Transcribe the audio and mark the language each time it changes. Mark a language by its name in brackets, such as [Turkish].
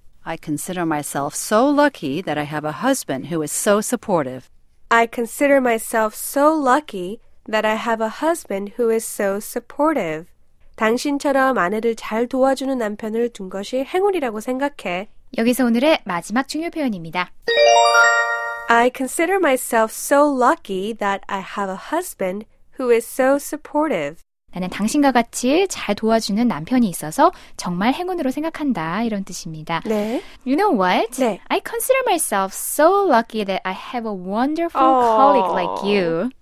[English] I consider myself so lucky that I have a husband who is so supportive. I consider myself so lucky that I have a husband who is so supportive. [Korean] 당신처럼 아내를 잘 도와주는 남편을 둔 것이 행운이라고 생각해. 여기서 오늘의 마지막 중요 표현입니다. [English] I consider myself so lucky that I have a husband who is so supportive. [Korean] 나는 당신과 같이 잘 도와주는 남편이 있어서 정말 행운으로 생각한다. 이런 뜻입니다. 네. [English] You know what? [Korean] 네. [English] I consider myself so lucky that I have a wonderful colleague like you.